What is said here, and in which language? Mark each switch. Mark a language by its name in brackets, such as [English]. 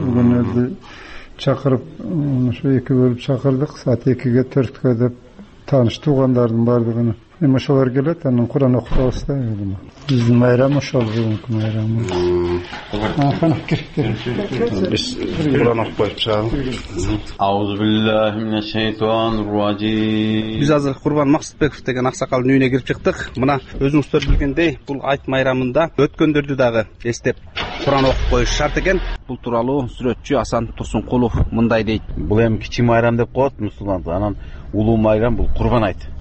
[Kyrgyz] Бүгүн өзү чакырып, ушу эки бөлүп чакырдык, саат экиге, төрткө деп тааныш туугандардын баардыгына. Эми ошолор келет, анан Куран окутуп атабыз да. Биздин майрам ошол бүгүнкү майрамы. Биз Куран окуп коюп чыгалы. [Arabic] Аузу биллахи мине шейтан ржим. [Kyrgyz] Биз азыр Курбан Максутбеков деген аксакалдын үйүнө кирип чыктык. Мына өзүңүздөр билгендей, бул айт майрамында өткөндөрдү дагы эстеп Куран окуп коюш шарт экен. Бул тууралуу сүрөтчү Асан Турсункулов мындай дейт. Бул эми кичи майрам деп коет мусулманды, анан улуу майрам бул Курбан айт.